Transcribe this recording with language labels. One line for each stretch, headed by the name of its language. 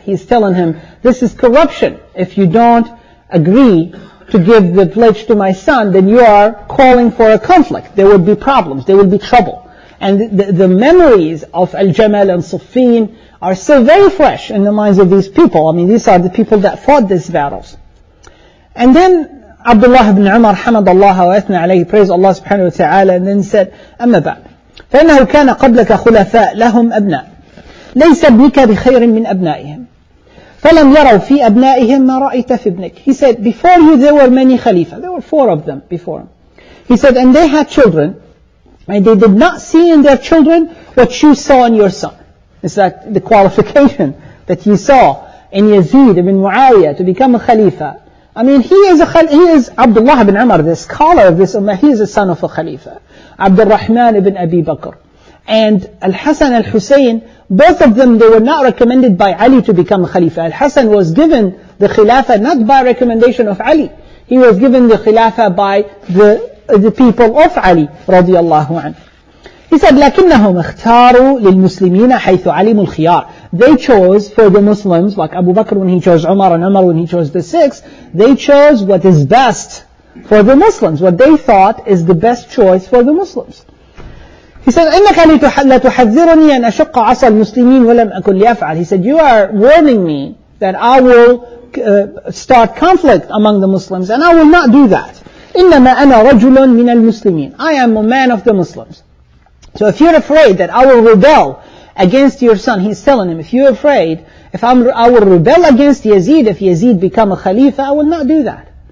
English: He's telling him, this is corruption. If you don't agree to give the pledge to my son, then you are calling for a conflict. There will be problems, there will be trouble. And the memories of Al-Jamal and Suffin are still very fresh in the minds of these people. I mean, these are the people that fought these battles. And then Abdullah ibn Umar,
Arabic: حمد الله وأثنى عليه,
English: praise Allah subhanahu wa ta'ala, and then said,
Arabic: أما بعد فإنه كان قبلك خلفاء لهم أبناء ليس ابنك بخير من أبنائهم فلم يروا في أبنائهم ما رأيت في ابنك.
English: He said, before you there were many Khalifa. There were four of them before him. He said, and they had children, and they did not see in their children what you saw in your son. It's like the qualification that he saw in Yazid ibn Muawiyah to become a Khalifa. I mean, he is Abdullah ibn Umar, the scholar of this Ummah. He is a son of a Khalifa. Abdul Rahman ibn Abi Bakr. and Al-Hasan Al-Husayn, both of them, they were not recommended by Ali to become a Khalifa. Al-Hasan was given the Khilafah not by recommendation of Ali. He was given the Khilafah by the people of Ali, radiallahu anhu. He said,
Arabic: لَكِنَّهُمْ اخْتَارُوا لِلْمُسْلِمِينَ حَيْثُ عَلِمُ الْخِيَارِ.
English: They chose for the Muslims, like Abu Bakr when he chose Umar, and Umar when he chose the six, they chose what is best for the Muslims, what they thought is the best choice for the Muslims. He said,
Arabic: إِنَّكَ لَتُحَذِّرُنِي أَنْ أَشُقَّ عَصَى الْمُسْلِمِينَ وَلَمْ أَكُنْ لِيَفْعَلْ.
English: He said, you are warning me that I will start conflict among the Muslims, and I will not do that.
Arabic: إِنَّمَا أَنَا رَجُلٌ مِنَ الْمُسْلِمِينَ.
English: I am a man of the Muslims. So if you're afraid that I will rebel against your son, he's telling him, if you're afraid, I will rebel against Yazid, if Yazid become a Khalifa, I will not do that.